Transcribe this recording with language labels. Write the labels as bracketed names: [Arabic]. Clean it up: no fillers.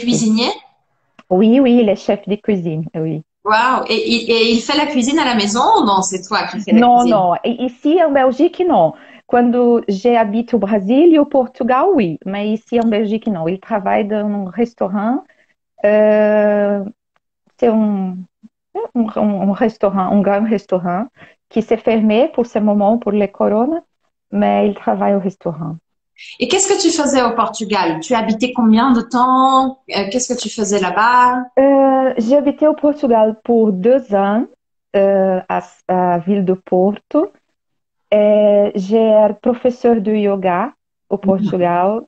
[French] cuisinier? Oui, il est chef de cuisine, oui. Waouh! Et il fait la cuisine à la maison ou non? C'est toi qui fais la Non, cuisine? non, et ici en Belgique, non. Quando j'habite au Brésil e au Portugal, oui, mais ici en Belgique, non. Il travaille dans un restaurant. [Portuguese] C'est um grande restaurant que se fermou por esse momento por le corona, mas ele trabalha no restaurant. [French] Et qu'est-ce que tu faisais au Portugal? Tu habitais combien de temps? Qu'est-ce que tu faisais là-bas? J'ai habité au Portugal pour 2 ans, à ville do Porto. J'ai professeur de yoga au Portugal.